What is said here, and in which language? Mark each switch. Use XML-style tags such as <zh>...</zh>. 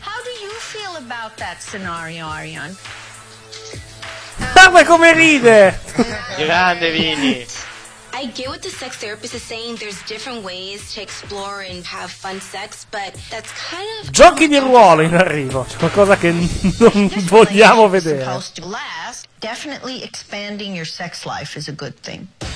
<en>How do you feel about that scenario, Arion?</en> <it>Guarda come ride. Grande Vini.</it> <en>I get what the sex therapist is saying, there's different ways to explore and have fun sex, but that's kind of...</en> <it>Giochi di ruolo in arrivo, qualcosa che non vogliamo vedere.</it> <en>Definitely expanding your sex life is a good thing.</en>